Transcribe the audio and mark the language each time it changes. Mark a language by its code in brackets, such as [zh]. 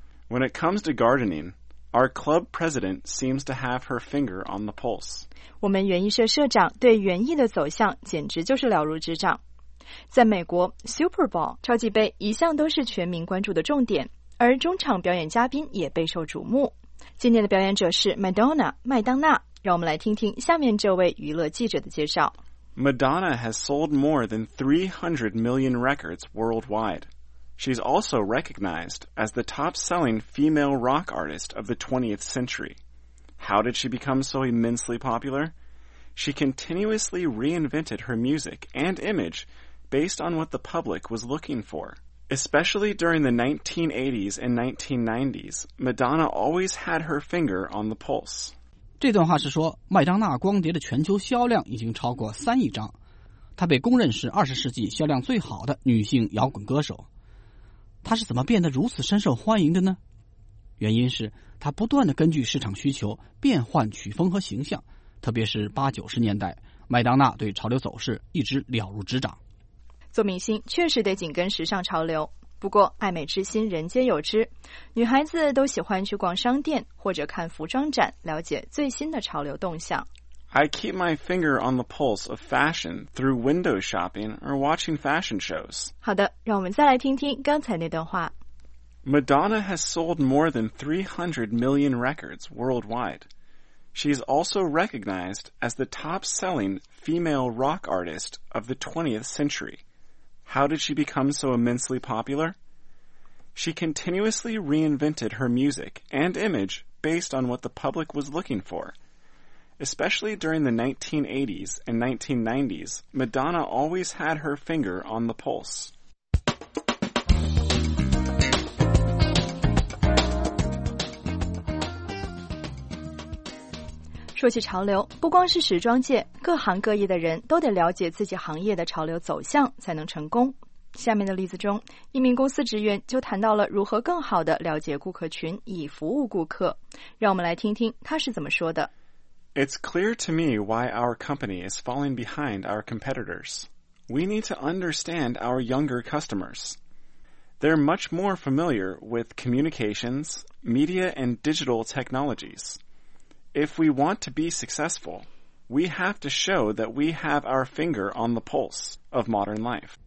[en] When it comes to gardening,Our club president seems to have her finger on the pulse. [zh] 我们园艺社社长对园艺的走向简直就是了如指掌。在美国 ,Super Bowl, 超级杯一向都是全民关注的重点，而中场表演嘉宾也备受瞩目。今年的表演者是 Madonna, 麦当娜。让我们来听听下面这位娱乐记者的介绍。 [en] Madonna has sold more than 300 million records worldwide. She's also recognized as the top-selling female rock artist of the 20th century. How did she become so immensely popular? She continuously reinvented her music and image based on what the public was looking for. Especially during the 1980s and 1990s, Madonna always had her finger on the pulse. [zh] 这段话是说，麦当娜光碟的全球销量已经超过3亿张。她被公认是20世纪销量最好的女性摇滚歌手。她是怎么变得如此深受欢迎的呢？原因是她不断地根据市场需求变换曲风和形象，特别是八九十年代，麦当娜对潮流走势一直了如指掌。做明星确实得紧跟时尚潮流，不过爱美之心人皆有之，女孩子都喜欢去逛商店或者看服装展，了解最新的潮流动向。 [en] I keep my finger on the pulse of fashion through window shopping or watching fashion shows. [zh] 好的，让我们再来听听刚才那段话。 [en] Madonna has sold more than 300 million records worldwide. She's also recognized as the top-selling female rock artist of the 20th century. How did she become so immensely popular? She continuously reinvented her music and image based on what the public was looking for. Especially during the 1980s and 1990s, Madonna always had her finger on the pulse. [zh] 说起潮流，不光是时装界，各行各业的人都得了解自己行业的潮流走向才能成功。下面的例子中，一名公司职员就谈到了如何更好地了解顾客群以服务顾客。让我们来听听他是怎么说的。 [en] It's clear to me why our company is falling behind our competitors. We need to understand our younger customers. They're much more familiar with communications, media, and digital technologies. If we want to be successful, we have to show that we have our finger on the pulse of modern life.